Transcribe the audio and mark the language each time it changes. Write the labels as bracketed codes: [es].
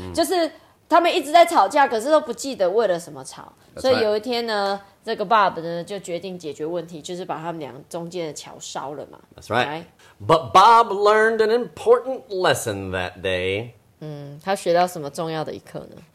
[zh] 就是他们一直在吵架，可是都不记得为了什么吵。 [en] That's [zh] 所以有一天呢，这个 Bob 呢就决定解决问题，就是把他们俩中间的桥烧了嘛。 [en] That's right. right. But Bob learned an important lesson that day. [zh] 他学到什么重要的一课呢